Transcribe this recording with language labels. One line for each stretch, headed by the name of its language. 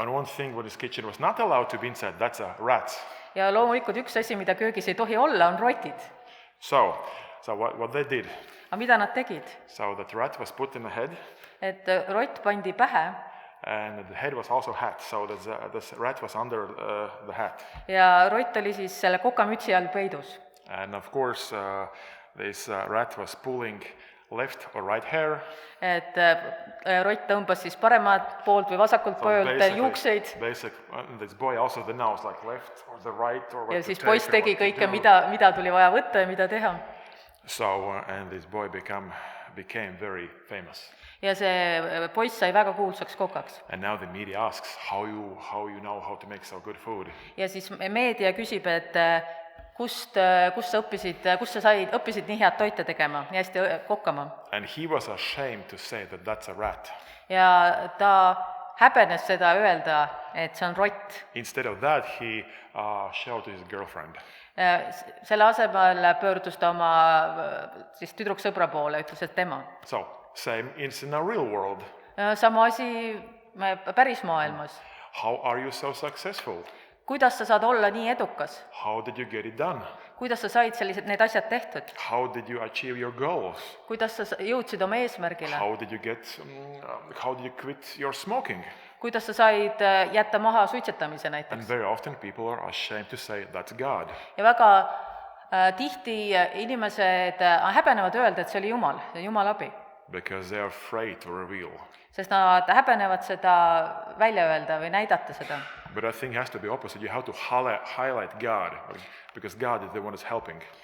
English: And one thing what this kitchen was not allowed to be inside, that's a rat.
Estonian: Ja loomulikult üks asi, mida köögis ei tohi olla, on rotid.
English: So what they did?
Estonian: Aga mida nad tegid?
English: So that rat was put in the head.
Estonian: Et rot pandi pähe.
English: And the head was also hat, so this rat was under the hat.
Estonian: Ja rot oli siis selle kokamütsi all peidus.
English: And of course this rat was pulling left or right hair.
Estonian: Et rot tõmbas siis paremat poolt või vasakult poolt juukseid.
English: Basically, this boy also the nose like left or the right or what.
Estonian: Ja siis poiss tegi kõike, mida tuli vaja võtta ja mida teha.
English: So and this boy became became very famous.
Estonian: Ja see poiss sai väga kuulsaks kokaks.
English: And now the media asks how you know how to make so good food.
Estonian: Ja siis meedia küsib, et kust sa õppisid nii head toite tegema, nii hästi kokkama.
English: And he was ashamed to say that that's a rat.
Estonian: Ja ta häbenes seda öelda, et see on rott.
English: Instead of that he shouted his girlfriend.
Estonian: Selle asemel pöördus ta oma siis tüdruk sõbra poole, ütles, et tema.
English: So, same is in the real world.
Estonian: Sama asi päris maailmas.
English: How are you so successful?
Estonian: Kuidas sa saad olla nii edukas?
English: How did you get it done?
Estonian: Kuidas sa said sellised need asjad tehtud?
English: How did you achieve your goals?
Estonian: Kuidas sa jõudsid oma eesmärgile?
English: How did you quit your smoking?
Estonian: Kuidas sa said jätta maha suitsetamise näiteks?
English: And very often people are ashamed to say that's God.
Estonian: Ja väga tihti inimesed häbenevad öelda, et see oli Jumal, Jumal abi.
English: Because they are afraid to reveal.
Estonian: Sest nad häbenevad seda välja öelda või näidata seda.
English: But I think it has to be opposite. You have to highlight God, because God is the one that's helping.